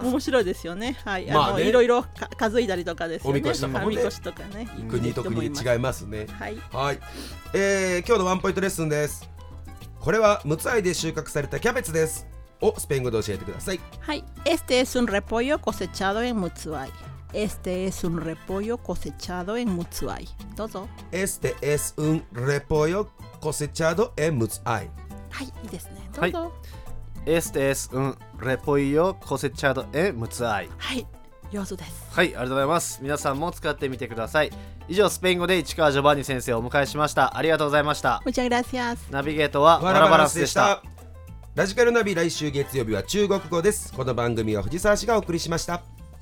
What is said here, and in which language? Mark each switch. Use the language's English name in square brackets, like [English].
[Japanese] 面白いですよね、はい、まあ、ね、いろいろ数いたりとかですよね。おみこしとかね、おみこしとかね、国と国違いますね、はい、はい。今日のワンポイントレッスンです。これはムツアイで収穫されたキャベツですをスペイン語で教えてください。 [Spanish] はい、este es un repollo cosechado en Mutsuai。 Este es un repollo cosechado en Mutsuai. [Japanese] どうぞ。 [Spanish] Este es un repollo cosechado en Mutsuai. [Japanese] はい、いいですね。どうぞ。 [Spanish] はい、Este es un repollo cosechado en Mutsuai. [Japanese] はい、上手です。はい、ありがとうございます。皆さんも使ってみてください。以上、スペイン語で市川ジョバンニ先生をお迎えしました。ありがとうございました。 [Spanish] Muchas gracias。 [Japanese] ナビゲートはワラバランスでした。ラジカルナビ、来週月曜日は中国語です。この番組は藤沢氏がお送りしました。